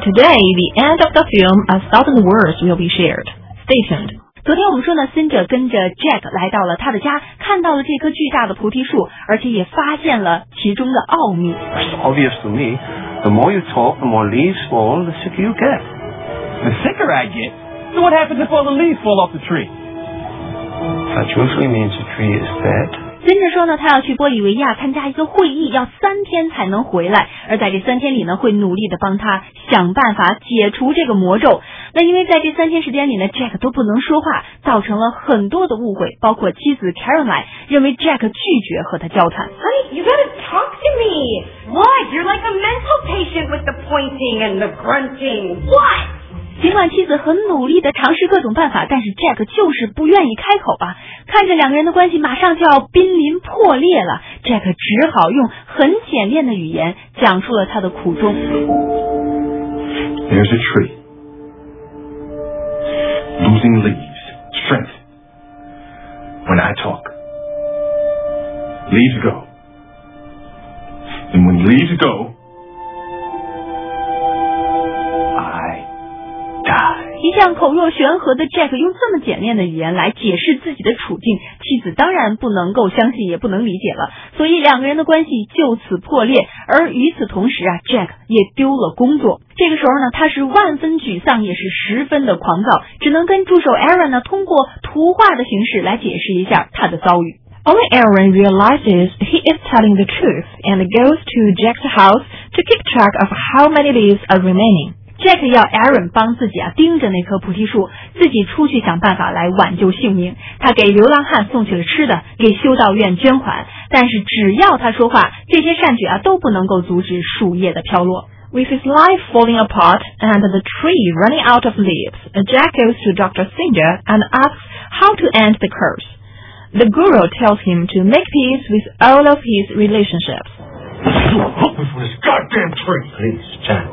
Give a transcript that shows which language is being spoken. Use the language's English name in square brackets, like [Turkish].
[English] Today, the end of the film, a thousand words will be shared. Stay tuned. [Chinese] 昨天我们说呢，辛哲跟着 Jack 来到了他的家，看到了这棵巨大的菩提树，而且也发现了其中的奥秘。 [English] It's obvious to me, the more you talk, the more leaves fall, the sicker you get. The sicker I get? So what happens if all the leaves fall off the tree? That usually means the tree is dead. [Chinese] 辛哲说呢，他要去玻利维亚参加一个会议，要三天才能回来，而在这三天里呢，会努力的帮他想办法解除这个魔咒。那因为在这三天时间里呢， Jack 都不能说话，造成了很多的误会，包括妻子 Caroline 认为 Jack 拒绝和他交谈。 [English] Honey, you gotta talk to me. What? You're like a mental patient with the pointing and the grunting. What? [Chinese] 尽管妻子很努力地尝试各种办法，但是 Jack 就是不愿意开口啊。看着两个人的关系马上就要濒临破裂了， Jack 只好用很简练的语言讲述了他的苦衷。 [English] There's a tree. Losing leaves. Strength. When I talk, leaves go. And when leaves go, [Chinese] 一向口若悬河的 Jack 用这么简练的语言来解释自己的处境，妻子当然不能够相信，也不能理解了，所以两个人的关系就此破裂。而与此同时啊， Jack 也丢了工作。这个时候呢，他是万分沮丧，也是十分的狂躁，只能跟助手 Aaron 呢，通过图画的形式来解释一下他的遭遇。 [English] Only Aaron realizes he is telling the truth and goes to Jack's house to keep track of how many leaves are remaining. [Chinese] Jack 要 Aaron 帮自己啊盯着那棵菩提树，自己出去想办法来挽救性命。他给流浪汉送去了吃的，给修道院捐款，但是只要他说话，这些善举啊都不能够阻止树叶的飘落。 [English] With his life falling apart and the tree running out of leaves, Jack goes to Dr. Singer and asks how to end the curse. The guru tells him to make peace with all of his relationships. Before this goddamn tree, please, Jack.